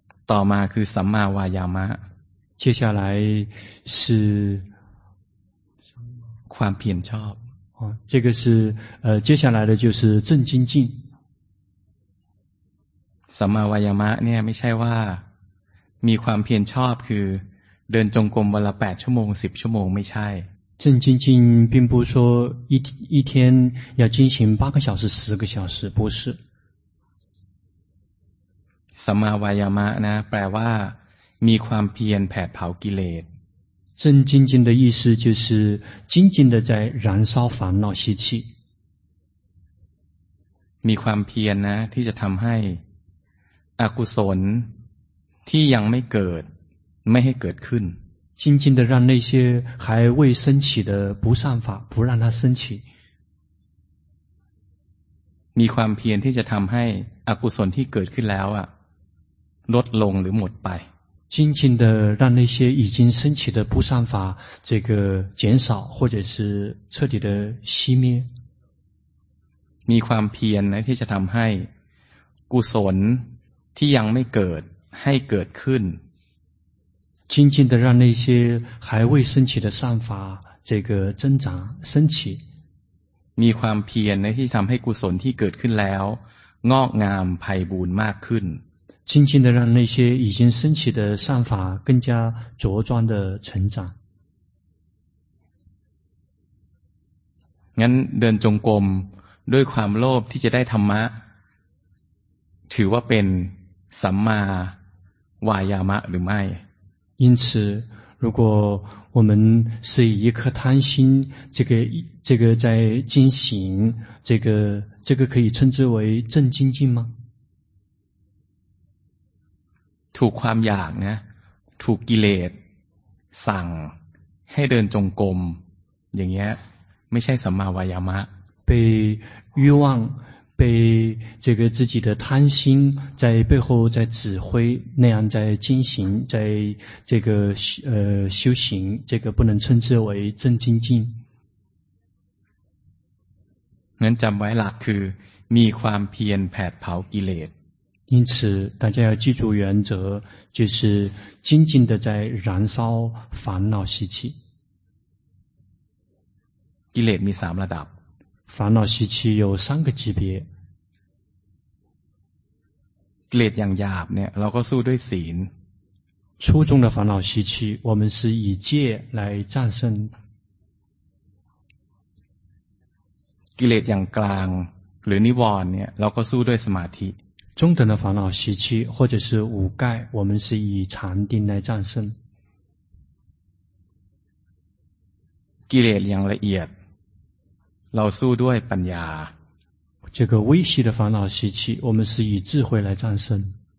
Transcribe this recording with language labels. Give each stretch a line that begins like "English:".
Thai: ต่อมาคือสัมมาวายามะ
Chinese: 接下来是
Thai: ความเพียรชอบ
Chinese: 这个是接下来的就是正精进
Thai: สัมมาวายามะเนี่ยไม่ใช่ว่ามีความเพียรชอบคือเดินจงกรมวันละ8ชั่วโมง10ชั่วโมงไม่ใช่
Chinese: 正精进并不是说一天要进行8个小时10个小时不是
Thai: สัมมาวายามะนะแปลว่ามีความเพียรแผดเผากิเลส
Chinese: 正精进的意思就是精进的在燃烧烦恼习气
Thai: มีความเพียรนะที่จะทำให้อกุศลที่ยังไม่เกิดไม่ให้เกิดขึ้น
Chinese: 精进的让那些还未升起的不善法不让它升起
Thai: มีความเพียรที่จะทำให้อกุศลที่เกิดขึ้นแล้วอะลดลงหรือหมดไป
Chinese: 精进的让那些已经升起的不善法这个减少或者是彻底的熄灭
Thai: มีความเพียรนะที่จะทำให้กุศลที่ยังไม่เกิดให้เกิดขึ้น
Chinese: 精进的让那些还未升起的善法这个增长升起
Thai: มีความเพียรนะที่ทำให้กุศลที่เกิดขึ้นแล้วงอกงามไพบูลย์มากขึ้น จริงจริงๆ
Chinese: 的让那些已经升起的善法更加茁壮的成长
Thai: งั้นเดินจงกรมด้วยความโลภที่จะได้ธรรมะถือว่าเป็นสัมมาวายามะหรือไม่
Chinese: 因此如果我们是以一颗贪心这个在进行这个可以称之为正精进吗
Thai: ถูกความอยากนะถูกกิเลสสั่งให้เดินจงกรมอย่างเงี้ยไม่ใช่สัมมาวายามะ
Chinese: 被欲望被这个自己的贪心在背后在指挥那样在进行在这个修行这个不能称之为正精进
Thai: งั้นจำไว้หลักคือมีความเพียรแผดเผากิเลส
Chinese: 因此大家要记住原则就是精进的在燃烧烦恼习气
Thai: กิเลสมี3ระดับ
Chinese: 烦恼习气有3个级别
Thai: กิเลสอย่างหยาบเนี่ยเราก็สู้ด้วยศีล
Chinese: 初中的烦恼习气我们是以戒来战胜
Thai: กิเลสอย่างกลางหรือนิวรณ์เนี่ยเราก็สู้ด้วยสมาธิ
Chinese: 中等的烦恼习气或者是五盖我们是以禅定来战胜
Thai: กิเลสอย่างละเอียดเราสู้ด้วยปัญญา
Chinese: 这个微细的烦恼习气我们是以智慧来战胜